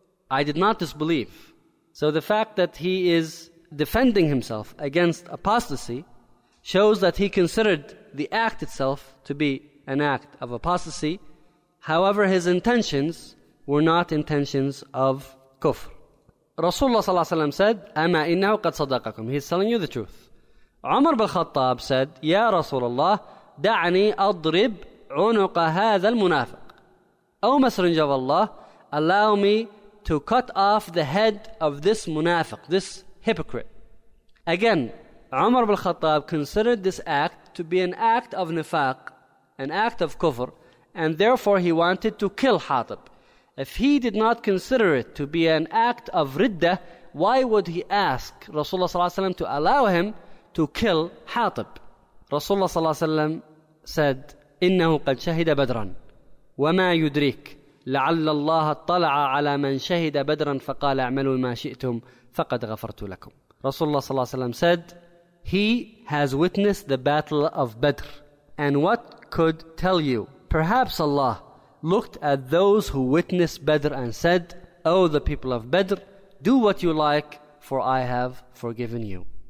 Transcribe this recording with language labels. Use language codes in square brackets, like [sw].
[en] I did not disbelieve. So the fact that he is defending himself against apostasy shows that he considered the act itself to be an act of apostasy. However, his intentions were not intentions of kufr. Rasulullah sallallahu alayhi wa sallam said, [ar] أَمَا إِنَّهُ قَدْ صَدَقَكُمْ. [en] He's telling you the truth. Umar bin Khattab said, [ar] يَا رَسُولَ اللَّهِ دَعْنِي أَضْرِبْ عُنُقَ هَذَا الْمُنَافِقِ. [en] O Messenger of Allah, allow me to cut off the head of this munafiq, this hypocrite. Again, Umar bin Khattab considered this act to be an act of nifaq, an act of kufr, and therefore he wanted to kill Hatib. If he did not consider it to be an act of riddah, why would he ask Rasulullah sallallahu alaihi wasallam to allow him to kill Hatib? Rasulullah sallallahu alaihi wasallam said, [ar] إِنَّهُ قَدْ شَهِدَ بَدْرًا وَمَا يُدْرِيكَ لَعَلَّ اللَّهَ اطَّلَعَ عَلَى مَنْ شَهِدَ بَدْرًا فَقَالَ اعْمَلُوا مَا شِئْتُمْ فَقَدْ غَفَرْتُ لَكُمْ. [en] Rasulullah sallallahu alaihi wasallam said, he has witnessed the battle of Badr, and what could tell you? Perhaps Allah looked at those who witnessed Badr and said, O the people of Badr, do what you like, for I have forgiven you.